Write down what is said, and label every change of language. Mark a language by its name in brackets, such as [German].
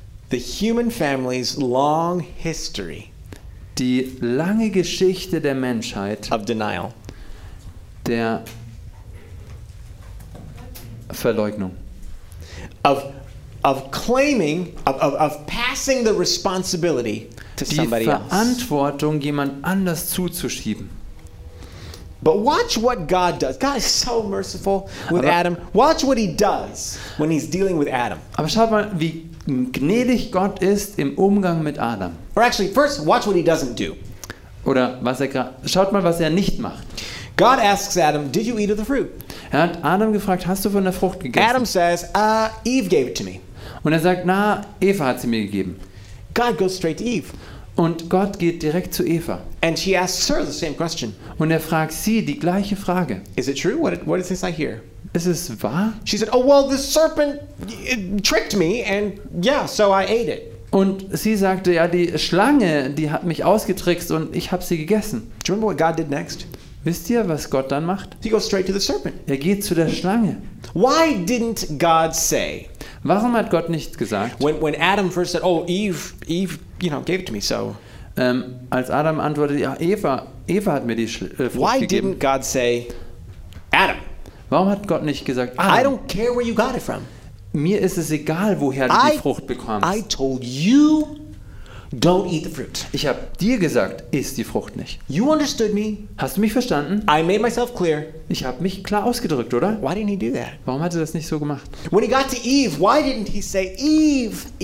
[English] the human family's long history, [German] die lange Geschichte der Menschheit, [English] of denial, [German] der Verleugnung, [English] of claiming, of passing the responsibility to somebody else, [German] die Verantwortung jemand anders zuzuschieben. [English] But watch what God does. God is so merciful with Adam. Watch what he does when he's dealing with Adam. [German] Aber schaut mal, wie gnädig Gott ist im Umgang mit Adam. [English] Or actually, first, watch what he doesn't do. [German] Oder was schaut mal, was nicht macht. [English] God asks Adam, did you eat of the fruit? [German] Hat Adam gefragt, hast du von der Frucht gegessen? [English] Adam says, Eve gave it to me. [German] Und sagt, na, Eva hat sie mir gegeben. [English] God goes straight to Eve. [German] Und Gott geht direkt zu Eva. [English] And she asks her the same question. [German] Und fragt sie die gleiche Frage. [English] Is it true? What is this I hear? [German] Ist es wahr? [English] She said, oh well, the serpent tricked me and yeah, so I ate it. [German] Und sie sagte, ja, die Schlange, die hat mich ausgetrickst und ich habe sie gegessen. [English] Do you remember what God did next? [German] Wisst ihr, was Gott dann macht? [English] He goes straight to the serpent. [German] Er geht zu der Schlange. [English] Why didn't God say? [German] Warum hat Gott nicht gesagt? [English] When Adam first said, oh Eve, you know, gave it to me, so. [German] Als Adam antwortete, ja, Eva hat mir die Frucht gegeben. [English] Why didn't God say, Adam? [German] Warum hat Gott nicht gesagt, Adam? [English] I don't care where you got it from. [German] Mir ist es egal, woher du die Frucht bekommst. [English] I told you, don't eat the fruit. [German] Ich habe dir gesagt, iss die Frucht nicht. [English] You understood me. [German] Hast du mich verstanden? [English] I made myself clear. [German] Ich habe mich klar ausgedrückt, oder? [English] Why didn't he do that? [German] Warum hat er das nicht so gemacht? [English] When he got to Eve, why didn't he say, Eve?